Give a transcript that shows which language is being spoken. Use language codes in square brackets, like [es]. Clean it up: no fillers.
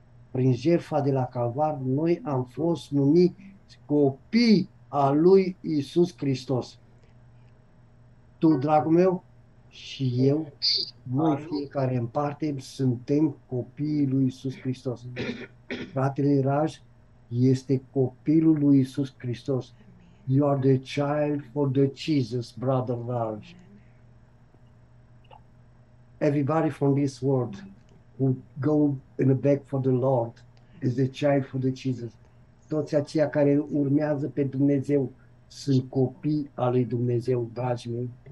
[ro] Prin jertfa de la Calvar, noi am fost numiți copii a Lui Iisus Hristos. Tu, dragul meu, și eu, noi fiecare în parte suntem copiii lui Iisus Hristos. Fratele Raj este copilul lui Iisus Hristos. [en] You are the child for the Jesus, brother Raj. Everybody from this world who go in the back for the Lord is the child for the Jesus. [ro] Toți aceia care urmează pe Dumnezeu sunt copii al lui Dumnezeu, dragii mei.